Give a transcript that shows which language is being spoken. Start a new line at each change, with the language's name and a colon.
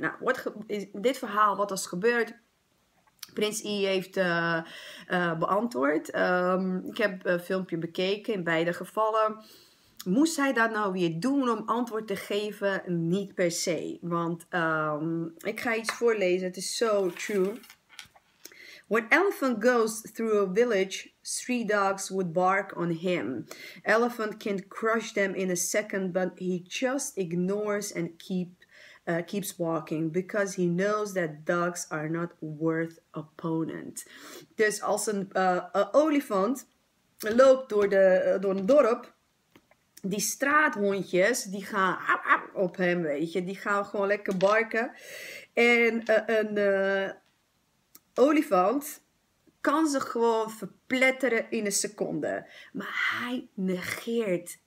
Dutch: Nou, dit verhaal, wat is gebeurd? Prins E heeft beantwoord. Ik heb een filmpje bekeken in beide gevallen. Moest hij dat nou weer doen om antwoord te geven? Niet per se. Want ik ga iets voorlezen. Het is so true.
English: When elephant goes through a village, three dogs would bark on him. Elephant can crush them in a second, but he just ignores and keeps walking. Because he knows that dogs are not worth opponent.
Dutch: Dus als een olifant loopt door een dorp. Die straathondjes, die gaan op hem, weet je. Die gaan gewoon lekker barken. En een olifant kan ze gewoon verpletteren in een seconde. Maar hij negeert